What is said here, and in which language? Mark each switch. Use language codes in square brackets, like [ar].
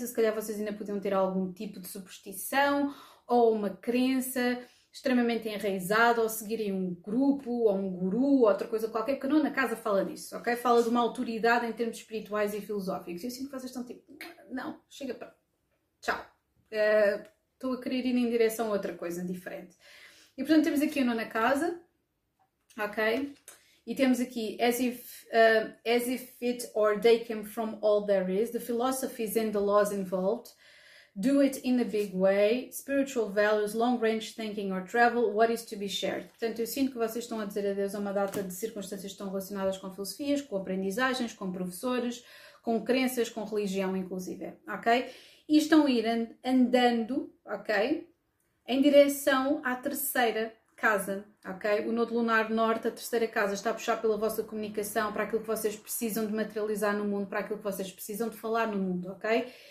[pt] Se calhar vocês ainda podiam ter algum tipo de superstição ou uma crença extremamente enraizada, ou seguirem um grupo, ou um guru, ou outra coisa qualquer, que não na casa fala disso, ok? Fala de uma autoridade em termos espirituais e filosóficos. E eu sinto que vocês estão tipo, não, chega para. Tchau. Estou a querer ir em direção a outra coisa diferente. E portanto temos aqui a nona casa. Ok? E temos aqui, [en] as if it or they came from all there is, the philosophies and the laws involved, do it in a big way, spiritual values, long range thinking or travel, what is to be shared? [pt] Portanto, eu sinto que vocês estão a dizer adeus a uma data de circunstâncias que estão relacionadas com filosofias, com aprendizagens, com professores, com crenças, com religião, inclusive. Ok? E estão a ir andando, ok? Em direção à terceira casa, ok? O Nodo Lunar Norte, a terceira casa, está a puxar pela vossa comunicação, para aquilo que vocês precisam de materializar no mundo, para aquilo que vocês precisam de falar no mundo, ok?